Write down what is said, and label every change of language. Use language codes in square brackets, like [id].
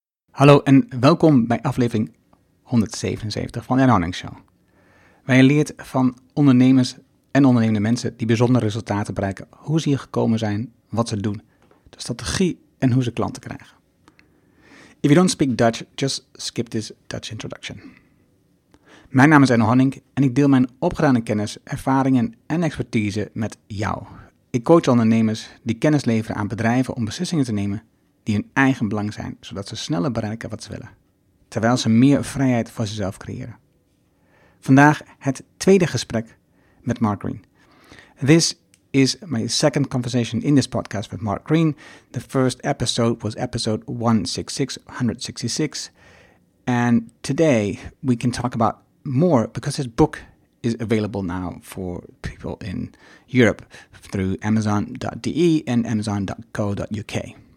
[nl] Hallo en welkom bij aflevering 177 van Jan Hanning Show. Waar je leert van ondernemers en ondernemende mensen die bijzondere resultaten bereiken, hoe ze hier gekomen zijn, wat ze doen, de strategie en hoe ze klanten krijgen. [en] If you don't speak Dutch, just skip this Dutch introduction. [nl] Mijn naam is Jan Hanning en ik deel mijn opgedane kennis, ervaringen en expertise met jou. Ik coach ondernemers die kennis leveren aan bedrijven om beslissingen te nemen die hun eigen belang zijn, zodat ze sneller bereiken wat ze willen, terwijl ze meer vrijheid voor zichzelf creëren. Vandaag het tweede gesprek met Mark Green. [en] This is my second conversation in this podcast with Mark Green. The first episode was episode 166, and today we can talk about more because his book is available now for people in Europe through amazon.de and amazon.co.uk.